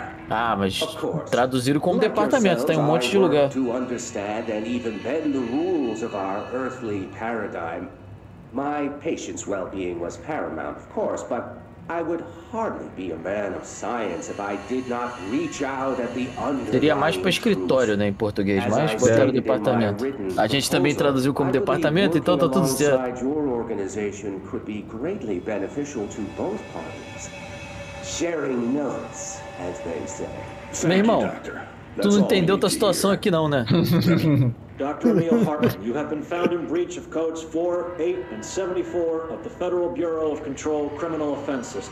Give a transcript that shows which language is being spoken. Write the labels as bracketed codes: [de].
[pt] Ah, mas traduziram como departamento, tá em um monte de lugar. [en] To understand and even bend the rules of our earthly paradigm. My patient's well-being was paramount, of course, but I would hardly be a man of science if I did not reach out at the underlying. [pt] Teria mais para escritório, né, em português, mas botaram departamento. A gente também traduziu como departamento, então tá tudo certo. [en] Your organization could be greatly beneficial to both parties. Sharing notes, as they say. [pt] Meu irmão, tu não entendeu tua situação aqui não, né? [en] Dr. Neil Hartman, you have been found in breach of codes 4, 8, and 74 of the Federal Bureau of Control Criminal Offenses.